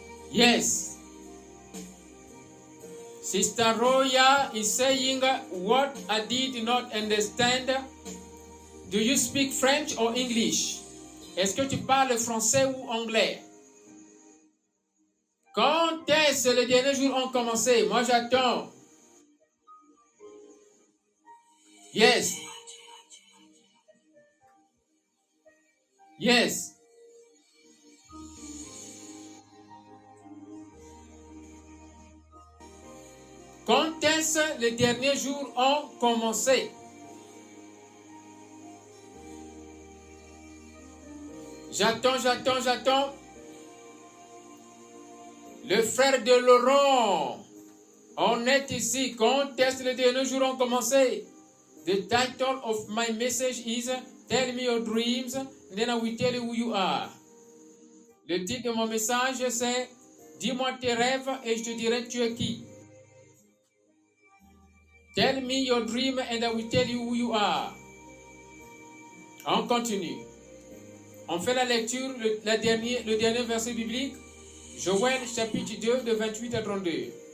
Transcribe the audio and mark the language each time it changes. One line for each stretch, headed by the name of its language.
English: Yes. Sister Roya is saying what I did not understand. Do you speak French or English?
French: Est-ce que tu parles français ou anglais? Quand est-ce les derniers jours ont commencé? Moi, j'attends.
English: Yes. Yes.
French: Quand est-ce les derniers jours ont commencé? J'attends, j'attends, j'attends. Le frère de Laurent, on est ici. Quand est-ce les derniers jours ont commencé?
English: The title of my message is Tell me your dreams, and then I will tell you who you are.
French: Le titre de mon message, c'est Dis-moi tes rêves et je te dirai tu es qui.
English: Tell me your dream and I will tell you who you are.
French: On continue. On fait la lecture, le dernier verset biblique, Joël chapitre 2, de 28 à 32.